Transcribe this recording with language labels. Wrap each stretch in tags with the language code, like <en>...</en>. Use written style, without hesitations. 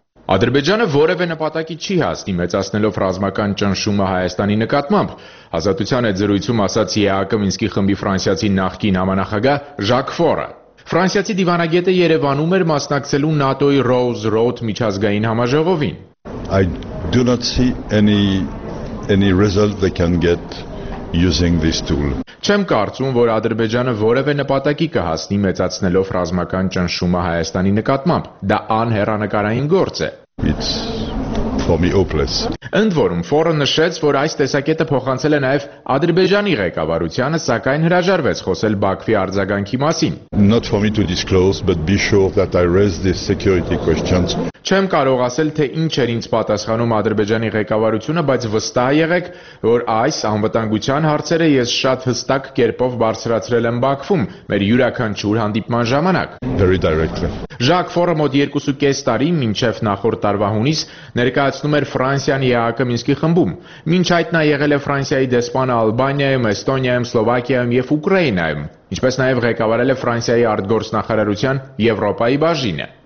<hy>Ադրբեջանը որևէ նպատակի չի հասնի, մեծացնելով ռազմական ճնշումը Հայաստանի նկատմամբ, Ազատության այդ զրույցում ասաց ԵԱԿ-ի Մինսկի խմբի ֆրանսիացի նախկին համանախագահ Ժակ Ֆորը։ Ֆրանսիացի դիվանագետը Երևանում էր մասնակցելու ՆԱՏՕ-ի Rose Road միջազգային համաժողովին։</hy> <en>I do not see any result they can get using this tool.</en> <hy>Չեմ կարծում, որ Ադրբեջանը որևէ նպատակի կհասնի, մեծացնելով ռազմական ճնշումը Հայաստանի նկատմամբ։ Դա անհեռանկարային գործ է։ Ընդ որում, Ֆորը նշեց, որ այս տեսակետը փոխանցել է նաև Ադրբեջանի ղեկավարությանը, սակայն հրաժարվեց խոսել Բաքվի արձագանքի մասին։</hy> <en>Not for me to disclose, but be sure that I raised these security questions.</en> <hy>Չեմ կարող ասել, թե ինչ էր ինձ պատասխանում Ադրբեջանի ղեկավարությունը, բայց վստահ եղեք, որ այս անվտանգության հարցերը ես շատ հստակ կերպով բարձրացրել եմ Բաքվում մեր յուրաքանչյուր հանդիպման ժամանակ։</hy> <en>Very directly.</en> <hy>Ժակ Ֆորը մոտ 2.5 տարի մինչև նախորդ տարվա հունիս ներկայացնում էր Ֆրանսիան ԵԱԿ-ի Մինսկի խմբում։ Մինչ այդ նա եղել է Ֆրանսիայի դեսպանը Ալբանիայում, Էստոնիայում, Սլովակիայում և Ուկրաինայում, ինչպես նաև ղեկավարել է Ֆրանսիայի արտգործնախարարության Եվրոպայի բաժինը։</hy>